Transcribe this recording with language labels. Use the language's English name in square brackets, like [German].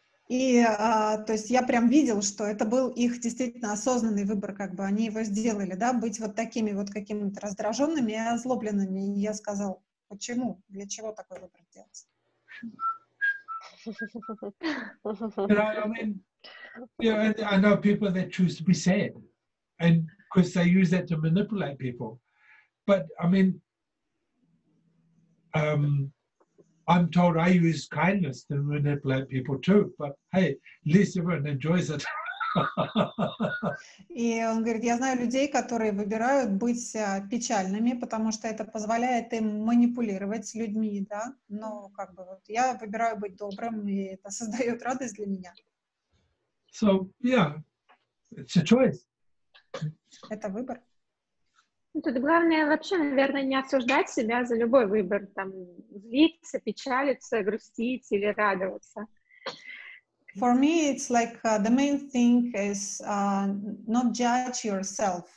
[Russian] И, то есть, я прям видел, что это был их действительно осознанный выбор, как бы они его сделали, да, быть вот такими вот какими-то раздраженными и озлобленными. И я сказал, почему, для чего такой выбор делать? [English] I know people that choose to be sad, and because they use that to manipulate people. But, I mean, I'm told I use kindness to manipulate people too, but hey, at least everyone enjoys it. [Russian] И он говорит, я знаю людей, которые выбирают быть печальными, потому что это позволяет им манипулировать людьми, да. Но как бы вот я выбираю быть добрым, и это создает радость для меня. [English] So yeah, it's a choice. [Russian] Это выбор. Тут главное вообще, наверное, не осуждать себя за любой выбор, там, злиться, печалиться, грустить или радоваться. [English] For me, it's like the main thing is not judge yourself.